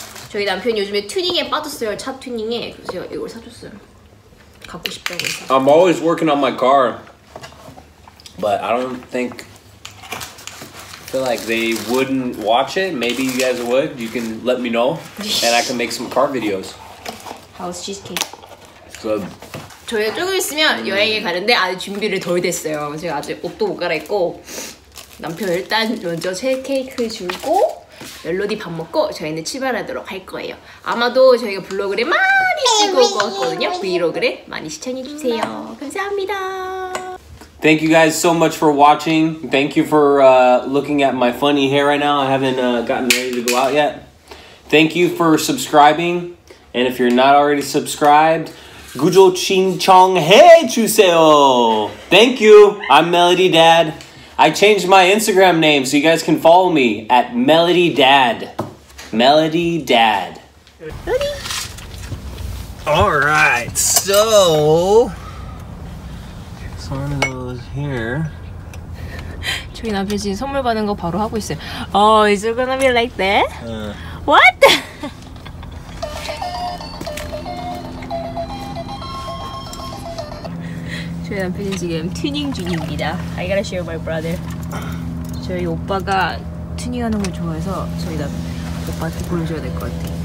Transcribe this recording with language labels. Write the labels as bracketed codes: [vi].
[ko] 저희 남편이 요즘에 튜닝에 빠졌어요. 차 튜닝에. 그래서 제가 이걸 사줬어요. 갖고 싶다고 해서. [en] I'm always working on my car. But I don't think... I feel like they wouldn't watch it. Maybe you guys would. You can let me know. And I can make some car videos. How's cheesecake? Good. [ko] 저희가 조금 있으면 여행에 가는데 아직 준비를 덜 됐어요. 제가 아직 옷도 못 갈아입고 남편 일단 먼저 케이크 주고 멜로디 밥 먹고 저희는 출발하도록 할 거예요. 아마도 저희가 블로그를 많이 찍어 올 거거든요. 브이로그를 많이 시청해 주세요. 감사합니다. [en] Thank you guys so much for watching. Thank you for looking at my funny hair right now. I haven't gotten ready to go out yet. Thank you for subscribing. And if you're not already subscribed, [ko] 구조 칭청 해주세요. [en] Thank you. I'm Melody Dad. I changed my Instagram name so you guys can follow me at Melody Dad. Melody Dad. All right, so it's one of those here. [ko] 저희 남편 지금 선물 받은 거 바로 하고 있어요. [en] Oh, is it gonna be like that? What? My husband is now tuning. I gotta show my brother. My brother likes tuning, so I'll show my brother.